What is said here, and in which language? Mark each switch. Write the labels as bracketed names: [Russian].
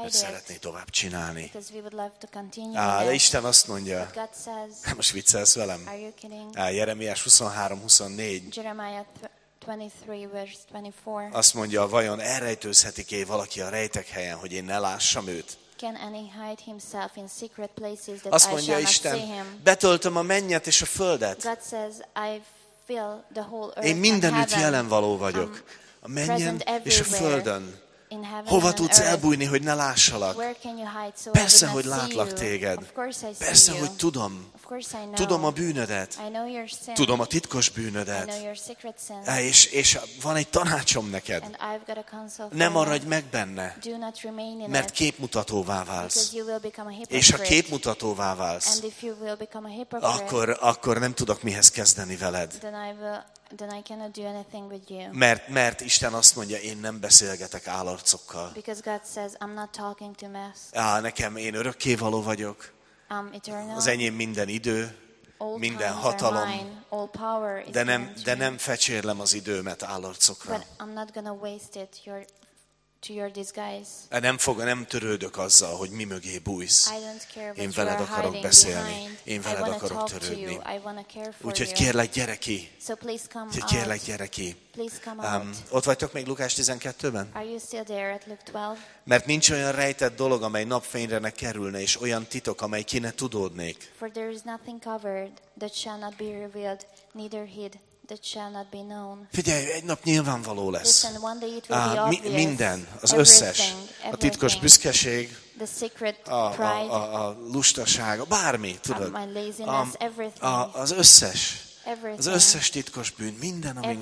[Hungarian] mert szeretné tovább csinálni. [English] Because we would love to continue. [Hungarian] De Isten azt mondja, [English] God says, [Hungarian] most viccelsz velem, [English] are you kidding? [Hungarian] Jeremiás 23-24, [English] Jeremiah 23, verse 24. [Hungarian] Azt mondja, vajon elrejtőzhetik-e valaki a rejtek helyen, hogy én ne lássam őt? [English] Can any hide himself in secret places that [Hungarian] azt [English] I [Hungarian] mondja, [English] shall [Hungarian] Isten, [English] not see him? [Hungarian] Betöltöm a mennyet és a földet. [English] God says, I fill the whole earth. [Hungarian] Én mindenütt jelen való vagyok. A mennyen és a földön. [English] In heaven, [Hungarian] hova tudsz elbújni, hogy ne lássalak? [English] Where can you hide so [Hungarian] persze, hogy látlak téged. [English] Of course I see [Hungarian] persze, [English] you. [Hungarian] Hogy tudom. [English] Of course I know. [Hungarian] Tudom a bűnödet. [English] I know your sin. [Hungarian] Tudom a titkos bűnödet. [English] I know your secret sin. [Hungarian] És van egy tanácsom neked. [English] And I've got a counsel for [Hungarian] ne maradj meg benne. [English] Do not remain in [Hungarian] mert képmutatóvá válsz. [English] Because you will become a hypocrite. [Hungarian] És ha képmutatóvá válsz, [English] and if you will become a hypocrite, [Hungarian] akkor nem tudok mihez kezdeni veled. [English] Then I will then I cannot do anything with you. [Hungarian] Mert Isten azt mondja, én nem beszélgetek állarcokkal. [English] Because God says, I'm not talking to mess. [Hungarian] Nekem én örökkévaló vagyok. [English] I'm eternal. [Hungarian] Az enyém minden idő, [English] all [Hungarian] minden hatalom. [English] Mine. All power is [Hungarian] de nem fecsérlem az időmet állarcokra. [English] But I'm not gonna waste it. To your disguise. [Hungarian] Nem törődök azzal, hogy mi mögé bújsz. [English] I don't care what you are [Hungarian] Én veled akarok beszélni. Én veled akarok törődni. Úgyhogy kérlek, gyere ki. [English] So please come out. [Hungarian] Kérlek, gyere ki. [English] Please come out. [Hungarian] Ott vagytok még Lukás 12-ben? [English] Are you still there at Luke 12? [Hungarian] Mert nincs olyan rejtett dolog, amely napfényre ne kerülne, és olyan titok, amely ki ne tudódnék. [English] For there is nothing covered that shall not be revealed, neither hid. That shall not be known. [Hungarian] Figyelj, egy nap nyilvánvaló lesz. [English] Listen, one day it will be obvious. [Hungarian] Minden, az összes, a titkos büszkeség, [English] the secret pride, [Hungarian] a lustaság, bármi, tudod. [English] My laziness, everything. [Hungarian] Az összes, [English] everything. [Hungarian] Az összes titkos bűn, minden, amink